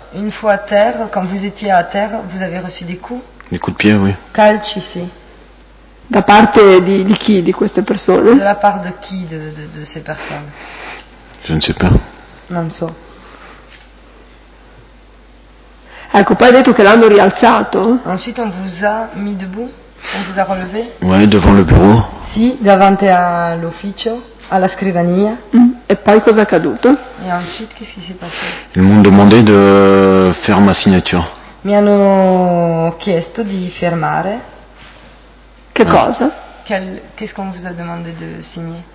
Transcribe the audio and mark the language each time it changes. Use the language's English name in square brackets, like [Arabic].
[French] Une fois à terre, quand vous étiez à terre, vous avez reçu des coups? Des coups de pied, oui. [Italian] Calci, sì. Da parte di chi, di queste persone? [French] De la part de qui, de ces personnes? Je ne sais pas. [Italian] Non so. Ecco, poi ha detto che l'hanno rialzato. [French] Ensuite on vous a mis debout? On vous a relevé? Oui, devant le bureau. [Italian] Si, davanti all'ufficio, alla scrivania. E poi cosa è accaduto? [French] Et ensuite, qu'est-ce qui s'est passé? Ils m'ont demandé de faire ma signature. [Italian] Mi hanno chiesto di firmare. Che cosa? [French] Qu'est-ce qu'on vous a demandé de signer?